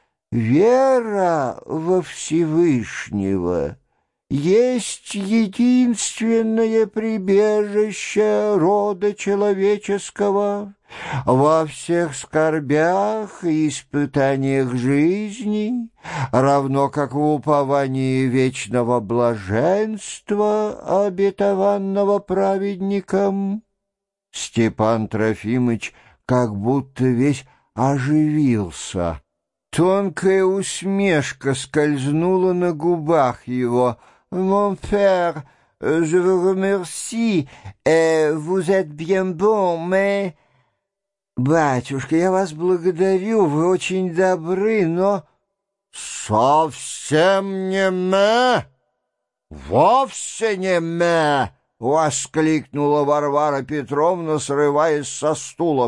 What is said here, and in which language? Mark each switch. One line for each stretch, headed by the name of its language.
Russian: «Вера во Всевышнего есть единственное прибежище рода человеческого во всех скорбях и испытаниях жизни, равно как в уповании вечного блаженства, обетованного праведником». Степан Трофимыч как будто весь оживился. Тонкая усмешка скользнула на губах его.
French: «Mon père, je vous remercie, vous êtes bien bon, mais...»
Russian: «Батюшка, я вас благодарю, вы очень добры, но...» «Совсем не мэ! Вовсе не мэ!» — воскликнула Варвара Петровна, срываясь со стула.